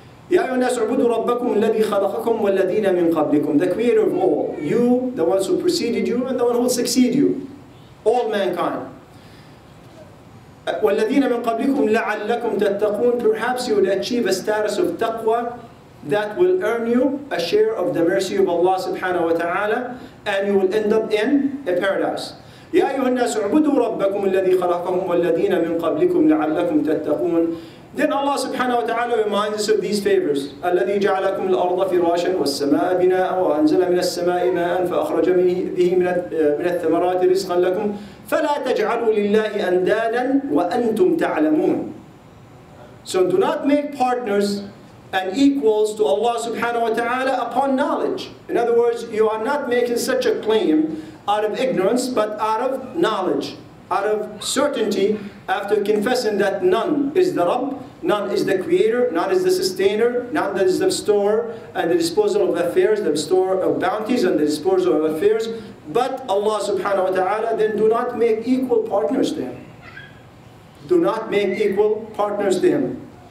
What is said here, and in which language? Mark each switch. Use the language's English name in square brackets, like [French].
[Arabic] يَا أَيُّهَا النَّاسُ عُبُدُوا رَبَّكُمْ الَّذِي خَلَقَكُمْ وَالَّذِينَ مِنْ قَبْلِكُمْ [English] The creator of all, you, the ones who preceded you, and the one who will succeed you, all mankind. [Arabic] وَالَّذِينَ مِنْ قَبْلِكُمْ لَعَلَّكُمْ تَتَّقُونَ [English] Perhaps you would achieve a status of taqwa that will earn you a share of the mercy of Allah subhanahu wa ta'ala and you will end up in a paradise. [Arabic] يَا أَيُّهَا النَّاسُ اعْبُدُوا رَبَّكُمْ الَّذِي خَلَقَكُمْ وَالَّذِينَ مِنْ قَبْلِكُمْ لَعَلَّكُمْ تَتَّقُونَ [English] Then Allah subhanahu wa ta'ala reminds us of these favors. [Arabic] الَّذِي جَعَلَكُمْ الْأَرْضَ فِرَاشًا وَالسَّمَاءَ بِنَاءً وَأَنزَلَ مِنَ السَّمَاءِ مَاءً فَأَخْرَجَ بِهِ مِنَ الثَّمَرَاتِ رِزْقًا لَكُمْ فَلَا تَجْعَلُوا لِلَّهِ أَنْدَادًا وَأَنْتُمْ تَعْلَمُونَ [English] So do not make partners and equals to Allah subhanahu wa ta'ala upon knowledge. In other words, you are not making such a claim out of ignorance, but out of knowledge, out of certainty, after confessing that none is the Rabb, none is the creator, none is the sustainer, none that is the store and the disposal of affairs, the store of bounties and the disposal of affairs, but Allah subhanahu wa ta'ala, then do not make equal partners to Him. Do not make equal partners to Him.